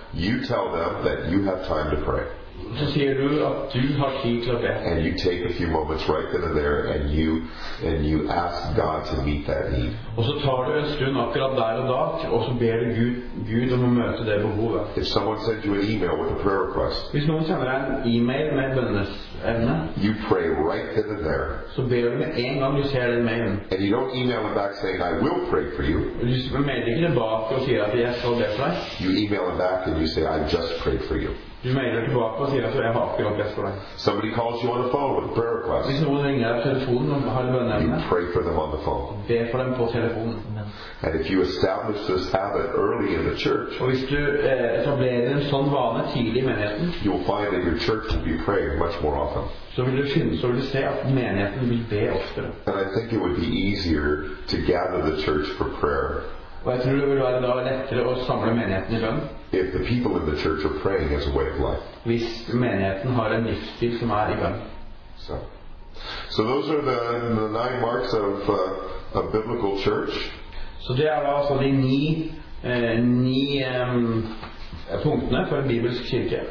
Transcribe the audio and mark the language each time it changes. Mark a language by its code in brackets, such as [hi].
[en] You tell them that you have time to pray. [no] Så sier du at du har tid til å be. [en] And you take a few moments right then and there, and you ask God to meet that need. [no] Og så tar du en stund akkurat der og da, og så ber du Gud om å møte det behovet. [en] If someone sends you an email with a prayer request, [no] hvis noen sender deg en e-mail med bønnesemne, [en] you pray right then and there. [no] Så ber du med en gang du ser den mailen. [en] And you don't email them back saying, I will pray for you. [no] Du mailer ikke tilbake og sier at jeg skal be for deg. [en] You email them back and you say, I just prayed for you. [no] Du mailer tilbake og sier at jeg har akkurat best for deg. [en] Somebody calls you on the phone with a prayer request. [no] Hvis noen ringer på telefonen og har bønnemne, [en] you pray for them on the phone. [no] Be for dem på telefonen. [en] And if you establish this habit early in the church, [no] og hvis du etablerer en sånn vane tidlig i menigheten, [en] you'll find that your church will be praying much more often. [no] Så vil du se at menigheten vil be oftere. [en] And I think it would be easier to gather the church for prayer. [no] Og jeg tror det vil være da lettere å samle menigheten i bønn. [en] If the people in the church are praying as a way of life. [no] Hvis menigheten har en livsstil som i bønn. [en] So those are the nine marks of a biblical church. [no] Så det da altså de ni punktene for en bibelsk kirke.